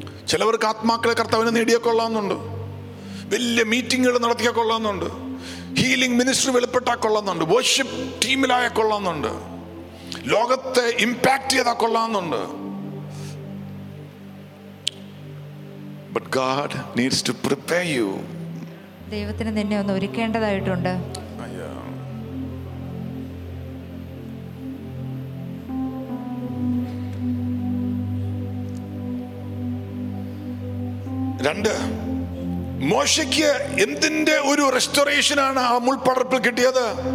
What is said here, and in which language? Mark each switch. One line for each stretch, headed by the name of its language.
Malayalam: ചിലവർക്ക് ആത്മാക്കളെ കർത്താവിനെ നേടിയക്കൊള്ളാമെന്നുണ്ട്, വലിയ മീറ്റിങ്ങുകൾ നടത്തിയക്കൊള്ളാമെന്നുണ്ട്, ഹീലിംഗ് മിനിസ്ട്രി വെളിപ്പെട്ടാ കൊള്ളാമെന്നുണ്ട്, വർഷിപ്പ് ടീമിലായ കൊള്ളാമെന്നുണ്ട്, ലോകത്തെ ഇമ്പാക്ട് ചെയ്താ കൊള്ളാമെന്നുണ്ട്.
English: But God needs to prepare you.
Malayalam: ദൈവത്തിന് നിന്നെ ഒന്ന് ഒരുക്കേണ്ടതായിട്ടുണ്ട്. രണ്ട്, മോശയ്ക്ക് എന്തിന്റെ ഒരു റെസ്റ്റോറേഷൻ ആണ് ആ മുൾപടർപ്പിൽ കിട്ടിയത്?